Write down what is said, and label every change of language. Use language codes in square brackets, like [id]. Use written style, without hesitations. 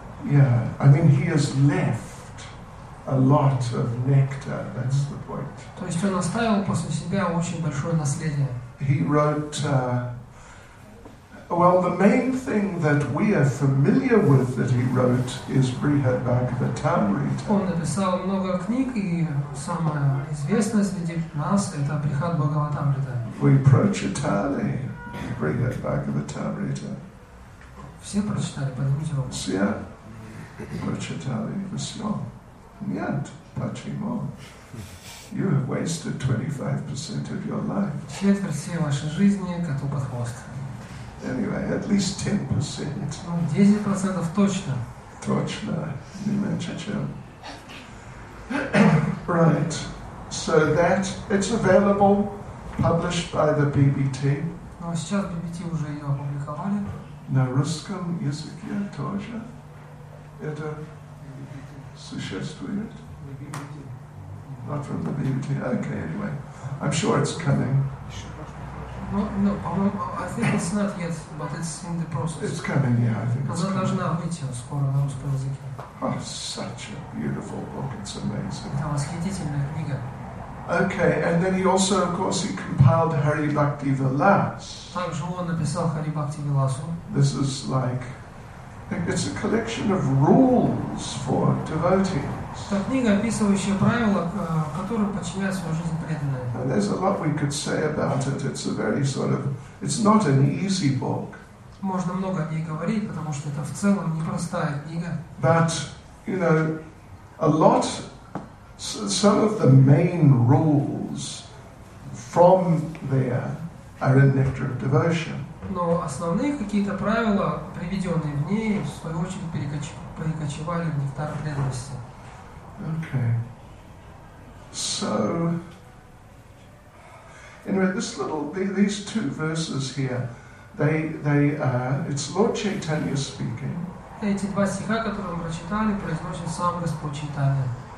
[en] Yeah, I mean, he has left a lot of nectar. That's the point. [ru] То есть он оставил после себя очень большое наследие. [en] He wrote. Well, the main thing that we are familiar with that he wrote is Brihadbhagavatamrita. [ru] Он написал много книг, и самое известное среди нас это Брихадбхагаватамрита. Vipracitāli, Brihadbhagavatamrita. Все прочитали, подумайте об этом. Все прочитали, все. Нет, почему? [en] You have wasted 25% of your life. [ru] Четверть всей вашей жизни коту под хвост. [en] Anyway, at least 10%. [ru] Ну, 10% точно. Точно, не меньше чем. [en] Right. So that, it's available, published by the BBT. [ru] Ну, а сейчас BBT уже ее опубликовали. На русском языке тоже это существует? [en] Not from the BBT. Okay, anyway. I'm sure it's coming. No, I think it's not yet, but it's in the process. It's coming, yeah, I think it's coming. [ru] Она должна выйти скоро на русском языке. [en] Oh, such a beautiful book. It's amazing. [ru] Это восхитительная книга. [en] Okay, and then he also, of course, he compiled Hari Bhakti Vilas. [ru] Также он написал Hari Bhakti Vilasu. [en] This is like, it's a collection of rules for devotees. [ru] Это книга, описывающая правила, которым подчиняют свою жизнь преданные. [en] And there's a lot we could say about it. It's a very sort of, it's not an easy book. [ru] Можно много о ней говорить, потому что это в целом непростая книга. [en] But, you know, a lot. So some of the main rules from there are in Nectar of Devotion. [ru] Но основные какие-то правила, приведенные в ней, в свою очередь перекочевали в Нектар преданности. [en] Okay. So, anyway, this little, these two verses here, it's Lord Chaitanya speaking. [ru] Эти два стиха, которые мы прочитали, произносит сам Господь Чайтанья.